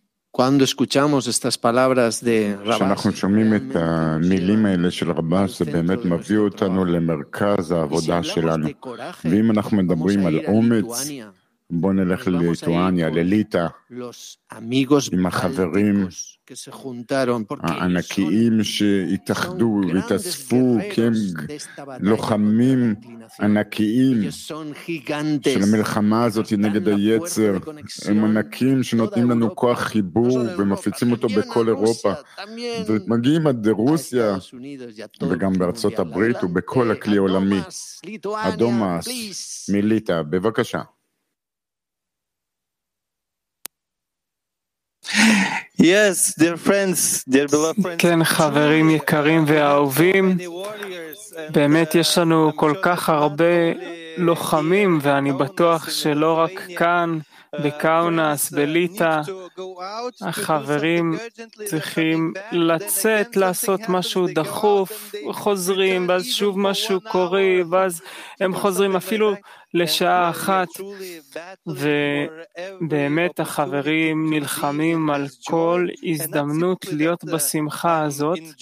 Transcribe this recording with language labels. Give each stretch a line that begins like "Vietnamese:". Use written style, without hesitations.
Spanish: Cuando escuchamos estas palabras de Rabash,
Hebrew: כשאנחנו שומעים את המילים האלה של רבש, זה באמת מביא אותנו למרכז העבודה שלנו. ואם אנחנו מדברים על אומץ, בוא נלך ללטואניה, לליטא, עם החברים הענקיים שהתאחדו והתאספו, כי הם לוחמים ענקיים של המלחמה הזאת נגד היצר. הם ענקים שנותנים לנו כוח חיבור ומפיצים אותו בכל אירופה. ומגיעים עד רוסיה וגם בארצות הברית ובכל הכלי העולמי. אדומאס מליטא, בבקשה.
English: Yes, dear friends, dear beloved friends.
Hebrew: כן, חברים יקרים ואהובים. באמת יש לנו כל כך הרבה לוחמים, ואני בטוח שלא רק כאן, בקאונס, בליטא, החברים צריכים לצאת, לעשות משהו דחוף, חוזרים, ואז שוב משהו קורה, ואז הם חוזרים אפילו לשעה אחת, ובאמת החברים נלחמים על כל הזדמנות להיות בשמחה הזאת,